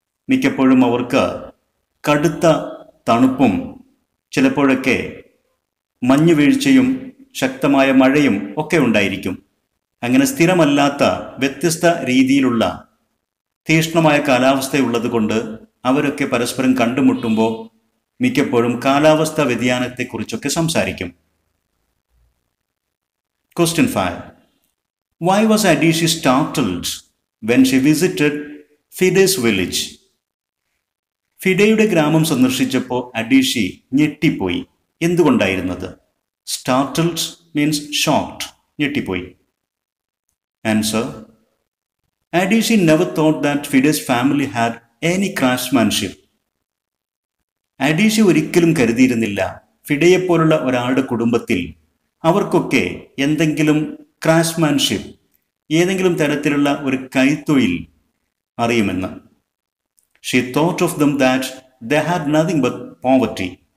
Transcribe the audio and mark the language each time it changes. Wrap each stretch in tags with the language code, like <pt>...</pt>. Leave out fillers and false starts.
<ml>മിക്കപ്പോഴും അവർക്ക് കടുത്ത തണുപ്പും ചിലപ്പോഴൊക്കെ മഞ്ഞുവീഴ്ചയും ശക്തമായ മഴയും ഒക്കെ ഉണ്ടായിരിക്കും. അങ്ങനെ സ്ഥിരമല്ലാത്ത വ്യത്യസ്ത രീതിയിലുള്ള തീക്ഷ്ണമായ കാലാവസ്ഥയുള്ളത് കൊണ്ട് അവരൊക്കെ പരസ്പരം കണ്ടുമുട്ടുമ്പോൾ മിക്കപ്പോഴും കാലാവസ്ഥാ വ്യതിയാനത്തെക്കുറിച്ചൊക്കെ സംസാരിക്കും.</ml> <en>Question 5. Why was Adishi startled when she visited Fide's village?</en> <ml>ഫിഡയുടെ ഗ്രാമം സന്ദർശിച്ചപ്പോൾ അഡീഷി ഞെട്ടിപ്പോയി. എന്തുകൊണ്ടായിരുന്നത്?</ml> <en>Startled means shocked,</en> <ml>ഞെട്ടിപ്പോയി.</ml> <en>Answer, Adishi never thought that Fide's family had any craftsmanship.</en> <ml>അഡീഷി ഒരിക്കലും കരുതിയിരുന്നില്ല ഫിഡയെപ്പോലുള്ള ഒരാളുടെ കുടുംബത്തിൽ അവർക്കൊക്കെ എന്തെങ്കിലും ക്രാഫ്റ്റ്മാൻഷിപ്പ്, ഏതെങ്കിലും തരത്തിലുള്ള ഒരു കൈത്തൊഴിൽ അറിയുമെന്ന്.</ml> <en>She thought of them that they had nothing but poverty.</en>